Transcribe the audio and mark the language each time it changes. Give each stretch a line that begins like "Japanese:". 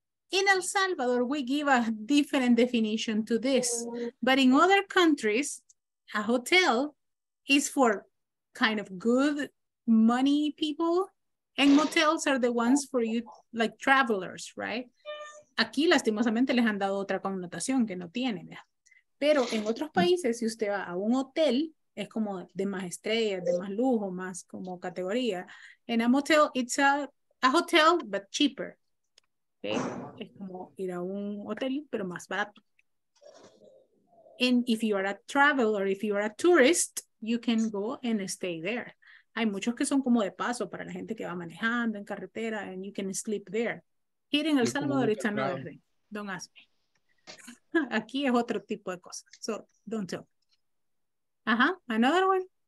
English: In El Salvador, we give a different definition to this, but in other countries, a hotel is for kind of good money people, and motels are the ones for you, like travelers, right?
Spanish: Aquí, lastimosamente, les han dado otra connotación que no tienen. Pero en otros países, si usted va a un hotel, es como de más estrellas, de más lujo, más como categoría.
English: En a motel, it's a hotel, but cheaper. Okay?
Spanish: Es como ir a un hotel, pero más barato.
English: And if you are a traveler, or if you are a tourist, you can go and stay there.
Spanish: Hay muchos que son como de paso para la gente que va manejando en carretera,
English: and you can sleep there. Here in El Salvador, it's another thing. Don't ask me.
Spanish: Aquí es otro tipo de cosa.
English: So, don't tell. Uh-huh, another one.